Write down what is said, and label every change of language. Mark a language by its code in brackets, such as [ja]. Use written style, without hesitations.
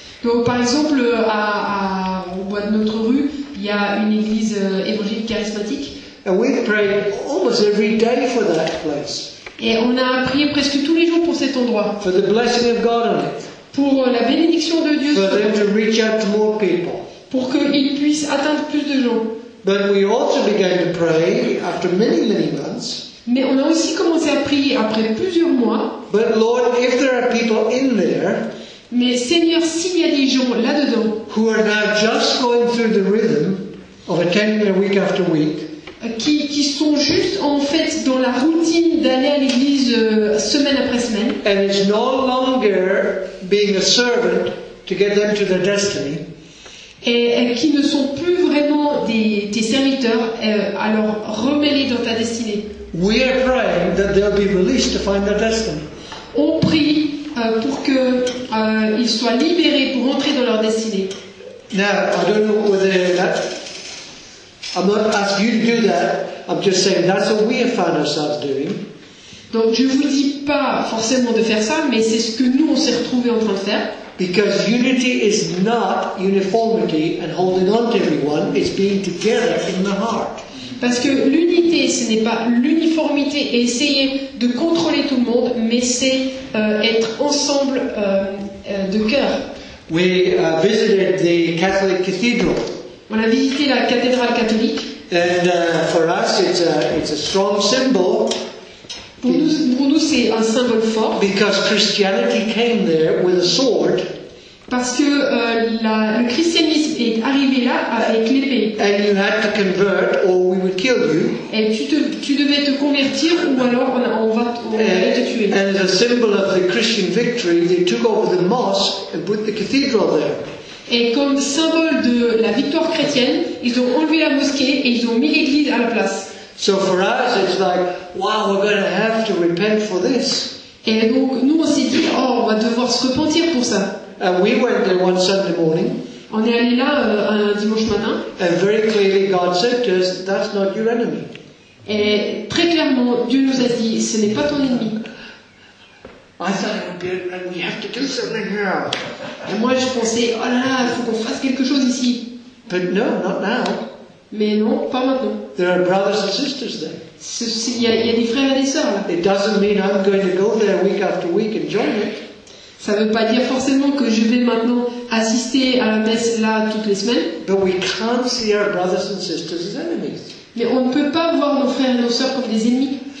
[fr] Donc, par exemple, au bois de notre rue, il y a une église évangélique charismatique. [en] And we pray almost every day for that place. [fr] Et on a prié presque tous les jours pour cet endroit. [en] For the blessing of God on it. [fr] Pour la bénédiction de Dieu sur eux. [en] To reach out to more people. [fr] Pour qu'ils puissent atteindre plus de gens. [en] But we also began to pray after many, many months. [fr] Mais on a aussi commencé à prier après plusieurs mois. [en] But Lord, if there are people in there, [fr] mais Seigneur, s'il y a des gens là-dedans, [en] who are now just going through the rhythm of attending there week after week, [fr] qui sont juste en fait dans la routine d'aller à l'église semaine après semaine, [en] and is no longer being a servant to get them to their destiny, [fr] et qui ne sont plus vraiment des serviteurs, alors remets-les dans ta destinée. [en] We are praying that they'll be released to find their destiny. [fr] On prie pour que ils soient libérés pour entrer dans leur destinée. [en] Now, I don't know whether that. I'm not asking you to do that. I'm just saying that's what we have found ourselves doing. [fr] Donc je vous dis pas forcément de faire ça, mais c'est ce que nous on s'est retrouvé en train de faire. [en] Because unity is not uniformity and holding on to everyone. It's being together in the heart. [fr] Parce que l'unité, ce n'est pas l'uniformité et essayer de contrôler tout le monde, mais c'est être ensemble de cœur. [en] We visited the Catholic cathedral. [fr] On a visité la cathédrale catholique. [en] And for us, it's a strong symbol. [fr] Pour nous, c'est un symbole fort. [en] Because Christianity came there with a sword. [fr] Parce que le christianisme est arrivé là avec l'épée. [en] And you had to convert or we would kill you. [fr] Et tu devais te convertir ou alors on allait te tuer. [en] And as a symbol of the Christian victory, they took over the mosque and put the cathedral there. [fr] Et comme symbole de la victoire chrétienne, ils ont enlevé la mosquée et ils ont mis l'église à la place. [en] So for us, it's like, wow, we're going to have to repent for this. [fr] Et donc nous on s'est dit, oh, on va devoir se repentir pour ça. [en] And we went there one Sunday morning. [fr] On est allé là un dimanche matin. [en] And very clearly God said to us, that's not your enemy. [fr] Et très clairement, Dieu nous a dit, ce n'est pas ton ennemi. [en] I thought it would be, and we have to do something here. [fr] Et moi je pensais, oh là là, il faut qu'on fasse quelque chose ici. [en] But no, not now. [fr] Mais non, pas maintenant. [en] There are brothers and sisters there. [fr] Il y a des frères et des sœurs. [en] It doesn't mean I'm going to go there week after week and join it. [fr] Ça ne veut pas dire forcément que je vais maintenant assister à la messe là toutes les semaines. [en] But we can't see our brothers and sisters as enemies. [fr] Mais on ne peut pas voir nos frères et nos sœurs comme des ennemis.